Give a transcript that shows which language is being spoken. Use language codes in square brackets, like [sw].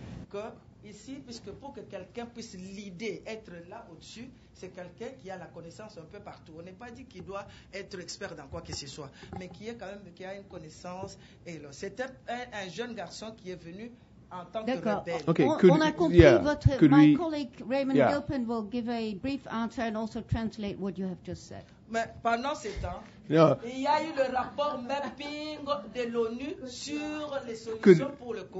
[fr] Que ici, puisque pour que quelqu'un puisse l'idée être là au-dessus, c'est quelqu'un qui a la connaissance un peu partout. On n'est pas dit qu'il doit être expert dans quoi que ce soit, mais qui est quand même qui a une connaissance. Et là, c'était un jeune garçon qui est venu en tant d'accord. que rebelle. Okay. On a compris votre. [en] My colleague Raymond Gilpin will give a brief answer and also translate what you have just said. [fr] Mais pendant ce temps, il y a eu le rapport mapping de l'ONU sur les solutions pour le Congo.